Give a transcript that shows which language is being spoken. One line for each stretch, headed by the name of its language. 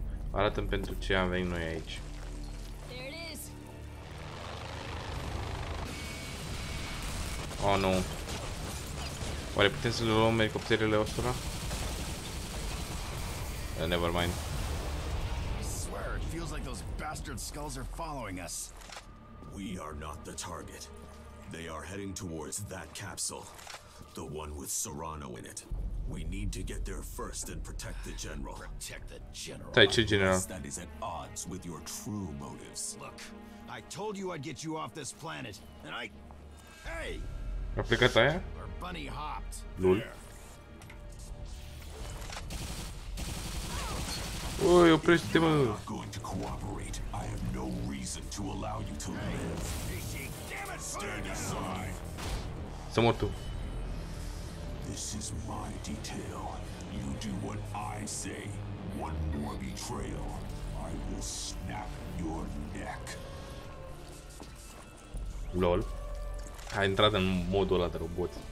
Romanian: Arată-mi pentru ce am venit noi aici. Oh, nu. Oare putem să luăm elicopterele ăsta?
English: Never mind. Feels like those bastard skulls are following us. We are not the target. They are heading towards that capsule. The one with Serrano in it. We need to get there first and protect the general. Protect the general. Tai,
Romanian: ce general?
English: That is at odds with your true motives. Look, I told you I'd get you off this planet, and I... Hey!
Romanian: A plecat aia?
English: Our bunny hopped. Lul.
Romanian: Oi, oprește, mă.
English: I have no reason to allow you to live. Stand aside.
Romanian: Să mor tu.
English: This is my detail. You do what I say. One more betrayal, I will snap your neck. Lol.
Romanian: A intrat în modul ăla de robot.